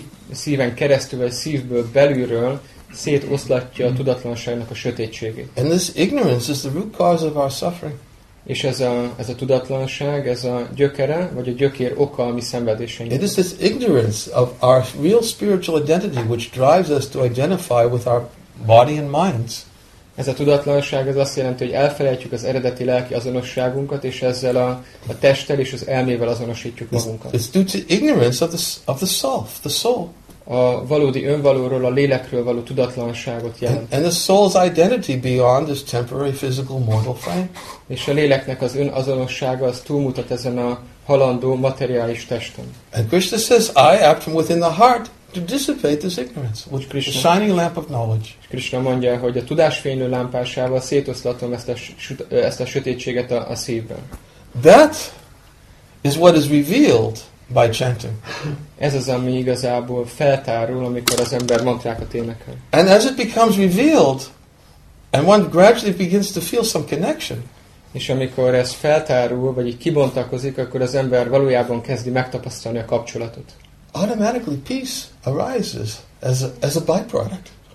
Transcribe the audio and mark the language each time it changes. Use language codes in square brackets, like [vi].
[hu] A szíven keresztül, vagy szívből belülről szétoszlatja a tudatlanságnak a sötétségét. [en] And this ignorance is the root cause of our suffering. [hu] És ez a tudatlanság, ez a gyökere, vagy a gyökér oka a mi szenvedésünk. [en] It is this ignorance of our real spiritual identity which drives us to identify with our body and minds. [hu] Ez a tudatlanság, ez azt jelenti, hogy elfelejtjük az eredeti lelki azonosságunkat, és ezzel a testtel és az elmével azonosítjuk magunkat. [en] It's due to ignorance of the self, the soul. [hu] A valódi önvalóról, a lélekről való tudatlanságot jelent. [en] And the soul's identity beyond this temporary physical mortal frame. [hu] És a léleknek az önazonossága az túlmutat ezen a halandó materiális testen. [en] And Krishna says, I act from within the heart to dissipate this ignorance, which Krishna, the shining lamp of knowledge. [hu] És Krishna mondja, hogy a tudásfénylő lámpásával szétoszlatom ezt a sötétséget a szívben. [en] That is what is revealed by chanting. [hu] Ez az, ami igazából feltárul, amikor az ember mantrákat énekel. [en] And as it becomes revealed, and one gradually begins to feel some connection. [hu] És amikor ez feltárul, vagy így kibontakozik, akkor az ember valójában kezdi megtapasztalni a kapcsolatot. [en] Automatically peace arises as a byproduct.